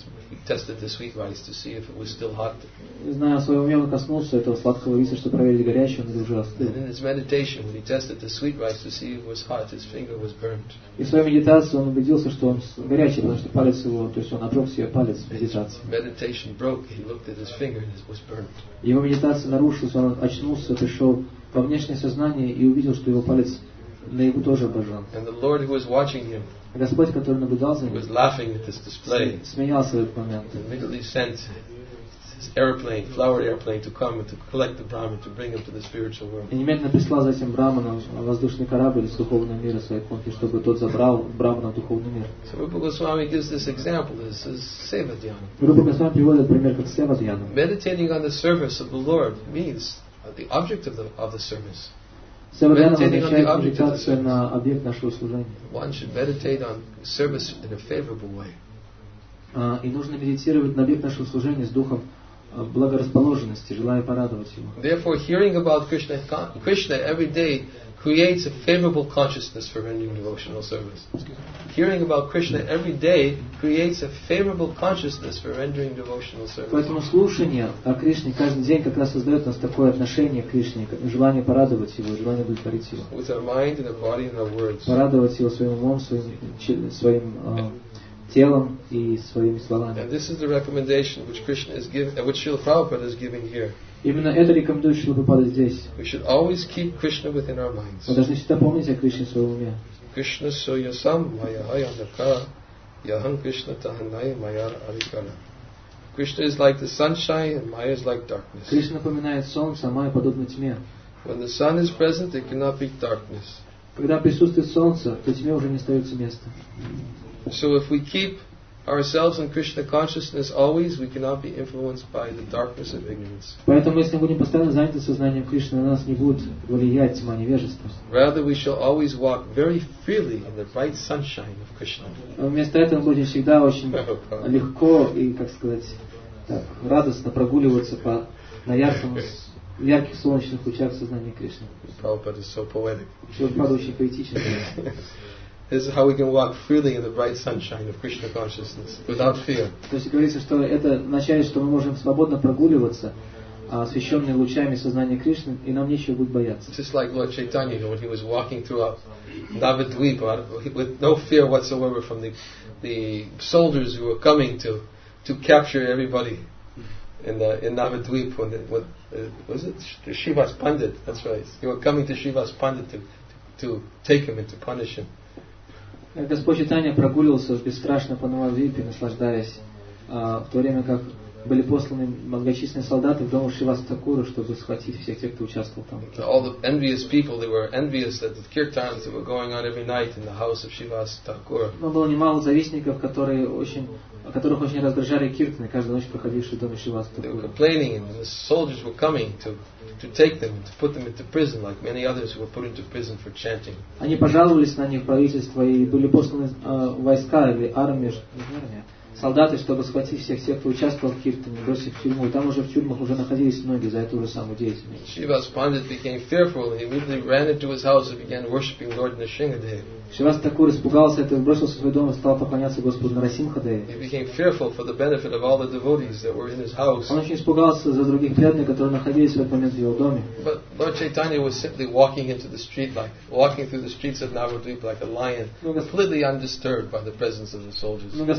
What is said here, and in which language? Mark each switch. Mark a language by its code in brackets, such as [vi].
[en] He tested the sweet rice to see if it was still hot. [ru] Зная о своем уме, он коснулся этого сладкого риса, чтобы проверить, горячий он или уже остыл. [en] And in his meditation, when he tested the sweet rice to see if it was hot, his finger was burnt. [ru] И в своей медитации он убедился, что он горячий, потому что палец его, то есть он обжег себе палец в медитации. [en] Meditation broke. He looked at his finger and it was burnt. [ru] Его медитация нарушилась, он очнулся, пришел во внешнее сознание и увидел, что его палец на его тоже обожжен. [en] And the Lord who was watching him. [ru] Господь, который наблюдал за ним, [en] was laughing at this display. [ru] Смеялся в этот момент. [en] He immediately sent his airplane, flower airplane, to come and to collect the Brahman to bring him to the spiritual world. [ru] И немедленно прислал за этим Брахманом воздушный корабль из духовного мира своей конки, чтобы тот забрал Брахмана в духовный мир. [en] So Rupa Goswami gives this example. This is Seva Dhyana. [ru] Рупа Госвами приводит пример как Сева Дьяна. [en] Meditating on the service of the Lord means the object of the service. Meditating on the object of the service. One should meditate on service in a favorable way. [ru] И нужно медитировать на объект нашего служения с духом благорасположенности, желая порадовать его. [en] Therefore, hearing about Krishna, Krishna every day creates a favorable consciousness for rendering devotional service. Hearing about Krishna every day creates a favorable consciousness for rendering devotional service. [ru] Поэтому слушание о Кришне каждый день как раз создает у нас такое отношение к Кришне, желание порадовать его, желание удовлетворить его. [en] With our mind and our body and our words. [ru] Порадовать его своим умом, своим телом и своими словами. [en] And this is the recommendation which Krishna is giving, which Srila Prabhupada is giving here. [ru] Именно это рекомендует Шрила Прабхупада здесь. [en] We should always keep Krishna within our minds. [ru] Мы должны всегда помнить о Кришне в своем уме. Krishna soya sam maya ayanaka yaham Krishna tahanai maya arikana. [en] Krishna is like the sunshine and maya is like darkness. [ru] Krishna напоминает солнце, а майя подобна тьме. [en] When the sun is present, it cannot be darkness. [ru] Когда присутствует солнце, то тьме уже не остается места. [en] So if we keep ourselves in Krishna consciousness always, we cannot be influenced by the darkness of ignorance. [ru] Поэтому если мы будем постоянно заняты сознанием Кришны, на нас не будет влиять тьма невежества. [en] Rather, we shall always walk very freely in the bright sunshine of Krishna. [ru] Вместо этого мы будем всегда очень легко и, как сказать, так, радостно прогуливаться по ярких солнечных лучах сознания Кришны. [en] Prabhupada is so poetic. [ru] Прабхупада очень поэтичен. [en] This is how we can walk freely in the bright sunshine of Krishna consciousness without fear. [ru] То есть говорится, что это означает, что мы можем свободно прогуливаться освещенными лучами сознания Кришны, и нам нечего будет бояться. [en] Just like Lord Chaitanya, when he was walking through Navadvipa with no fear whatsoever from the soldiers who were coming to capture everybody in Navadvipa, was it Shiva's Pandit? That's right. They were coming to Shiva's Pandit to take him and to punish him. [ru] Господь Чайтанья прогуливался бесстрашно по Навадвипе, наслаждаясь, в то время как были посланы многочисленные солдаты в дом Шивасатакуру, чтобы схватить всех тех, кто участвовал там. [en] All the envious people, they were envious that the kirtans that were going on every night in the house of Shivasatakura. [ru] Но было немало завистников, которых очень раздражали киртаны, каждую ночь проходившие в доме Шивасатакуру. [en] They were complaining, and the soldiers were coming to take them, to put them into prison, like many others who were put into prison for chanting. [ru] Они пожаловались на них правительство и были посланы войска или армия. Солдаты, чтобы схватить всех тех, кто участвовал в киртане, бросить в тюрьму. И там уже в тюрьмах уже находились многие за эту же самую деятельность. [en] Shiva's Pandit became fearful and he immediately ran into his house and began worshipping Lord Narasimhadeva. [ru] Shivasatakura испугался этого, бросился в свой дом и стал поклоняться Господу Нарасимхадеве. [en] He became fearful for the benefit of all the devotees that were in his house. [ru] Он очень испугался за других преданных, которые находились в этот момент в его доме. [en] But Lord Chaitanya was simply walking into the street, like walking through the streets of Navadvipa like a lion, completely undisturbed by the presence of the soldiers.